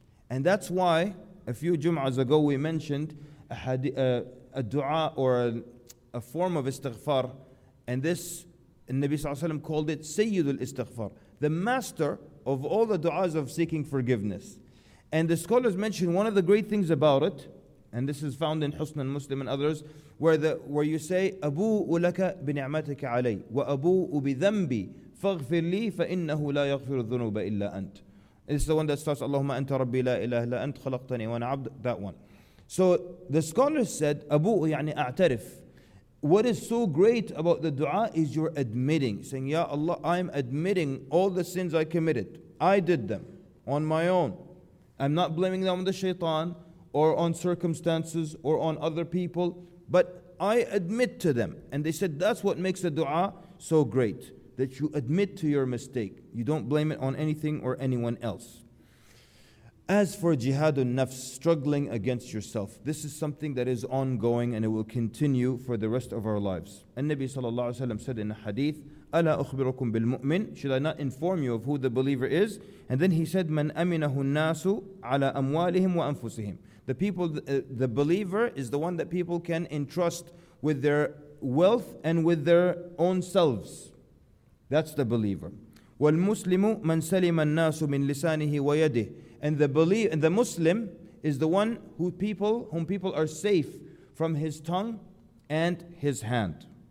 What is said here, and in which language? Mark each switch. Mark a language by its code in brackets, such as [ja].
[en] And that's why a few Jum'ahs ago we mentioned a dua or a form of istighfar, and this Nabi Sallallahu Alaihi Wasallam called it Sayyidul Istighfar, the master of all the du'as of seeking forgiveness. And the scholars mention one of the great things about it, and this is found in Husn al-Muslim and others, where you say, [ar] أَبُوءُ لَكَ بِنِعْمَتِكَ عَلَيْهِ وَأَبُوءُ بِذَنْبِي فَاغْفِرْ لِي فَإِنَّهُ لَا يَغْفِرُ الذُّنُوبَ إِلَّا أَنْتَ. [en] This is the one that starts, [ar] اللهم أنت ربي لا إله إلا أنت خلقتني وأنا عبد, [en] that one. So the scholars said, [ar] أَبُوءُ يعني أعترف. [en] What is so great about the dua is you're admitting, saying, Ya Allah, I'm admitting all the sins I committed. I did them on my own. I'm not blaming them on the shaitan or on circumstances or on other people, but I admit to them. And they said that's what makes the dua so great, that you admit to your mistake. You don't blame it on anything or anyone else. As for jihadun nafs, struggling against yourself, this is something that is ongoing and it will continue for the rest of our lives. And Nabi sallallahu alayhi wa sallam said in a hadith, [ar] أَلَا أُخْبِرُكُمْ بِالْمُؤْمِنِ. [en] Should I not inform you of who the believer is? And then he said, [ar] مَنْ أَمِنَهُ النَّاسُ عَلَىٰ أَمْوَالِهِمْ وَأَنفُسِهِمْ. [en] The people, the believer is the one that people can entrust with their wealth and with their own selves. That's the believer. [ar] وَالْمُسْلِمُ مَنْ سَلِمَ النَّاسُ مِنْ لِسَانِهِ وَيَدِهِ. [en] And the Muslim is the one whom people are safe from his tongue and his hand.